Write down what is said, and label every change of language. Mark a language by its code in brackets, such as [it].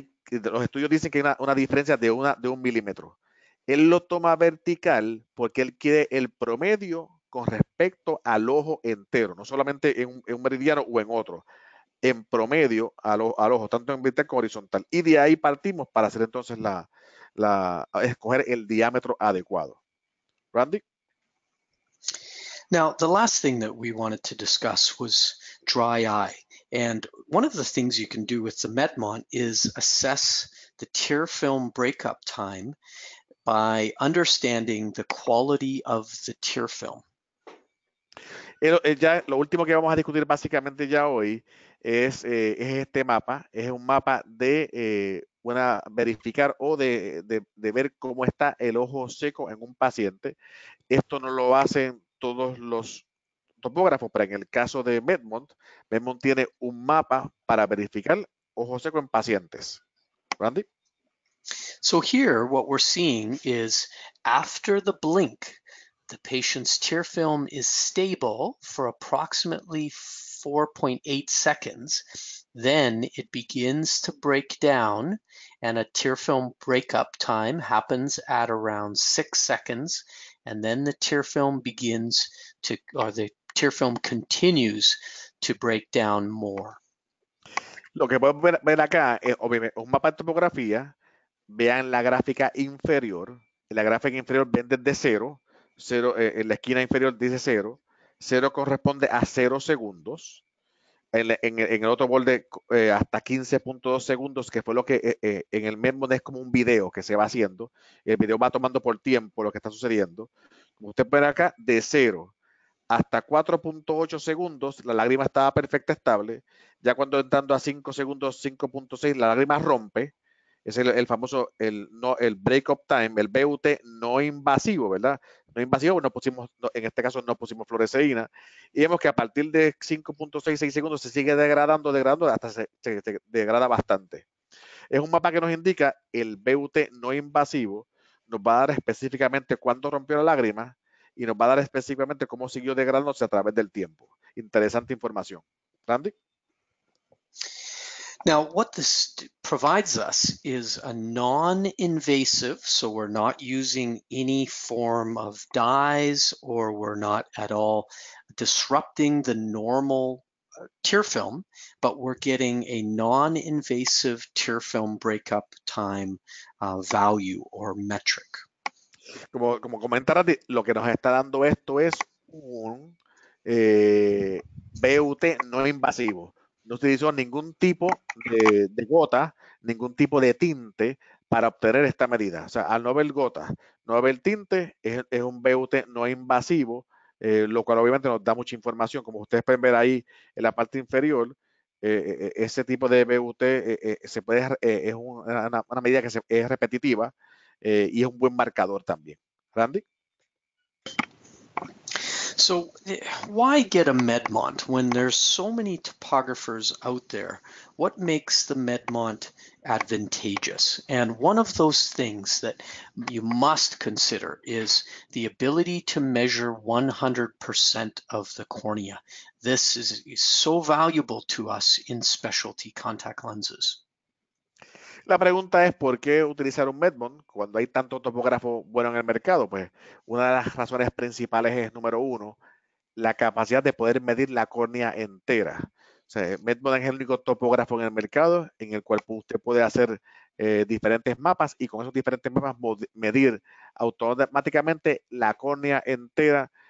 [es] Los estudios dicen que hay una diferencia de 1 milímetro. Él lo toma vertical porque él quiere el promedio con respecto al ojo entero, no solamente en un meridiano o en otro, en promedio al ojo, tanto en vertical como horizontal. Y de ahí partimos para hacer entonces escoger el diámetro adecuado. Randy. [en] Now, the last thing that we wanted to discuss was dry eye. And one of the things you can do with the METMONT is assess the tear film breakup time by understanding the quality of the tear film. [es] Ya lo último que vamos a discutir básicamente ya hoy es este mapa, es un mapa de una verificar o de ver cómo está el ojo seco en un paciente. Esto no lo hacen todos los topógrafos, pero en el caso de Medmont tiene un mapa para verificar ojo seco en pacientes. Randy. [en] So here, what we're seeing is after the blink, the patient's tear film is stable for approximately 4.8 seconds. Then it begins to break down, and a tear film breakup time happens at around 6 seconds, and then the tear film begins to, or the tear film continues to break down more. [es] Lo que pueden ver acá es un mapa de topografía. Vean la gráfica inferior. En la gráfica inferior ven desde cero. Cero, en la esquina inferior dice cero. Cero corresponde a 0 segundos. En el otro borde hasta 15.2 segundos, que fue lo que en el mismo es como un video que se va haciendo. El video va tomando por tiempo lo que está sucediendo. Como usted ve acá, de cero hasta 4.8 segundos, la lágrima estaba perfecta, estable. Ya cuando entrando a 5 segundos, 5.6, la lágrima rompe. Es el famoso, el breakup time, el BUT no invasivo, ¿verdad? No invasivo, no pusimos, no, en este caso no pusimos fluoresceína. Y vemos que a partir de 5.66 segundos se sigue degradando, degradando, hasta se degrada bastante. Es un mapa que nos indica el BUT no invasivo, nos va a dar específicamente cuándo rompió la lágrima. Y nos va a dar específicamente cómo siguió degradándose a través del tiempo. Interesante información. Randy. [en] Now, what this provides us is a non-invasive, so we're not using any form of dyes or we're not at all disrupting the normal tear film, but we're getting a non-invasive tear film breakup time value or metric. [es] Como comentaron, lo que nos está dando esto es un BUT no invasivo. No se utilizó ningún tipo de gota, ningún tipo de tinte para obtener esta medida. O sea, al no haber gotas, no haber tinte, es un BUT no invasivo, lo cual obviamente nos da mucha información. Como ustedes pueden ver ahí en la parte inferior, ese tipo de BUT se puede, es una medida que es repetitiva. Y es un buen marcador también. Randy. [en] So, why get a METMONT when there's so many topographers out there? What makes the METMONT advantageous? And one of those things that you must consider is the ability to measure 100% of the cornea. This is so valuable to us in specialty contact lenses. [es] La pregunta es, ¿por qué utilizar un Medmont cuando hay tanto topógrafo bueno en el mercado? Pues una de las razones principales es, número uno, la capacidad de poder medir la córnea entera. O sea, Medmont es el único topógrafo en el mercado en el cual usted puede hacer diferentes mapas y con esos diferentes mapas medir automáticamente la córnea entera.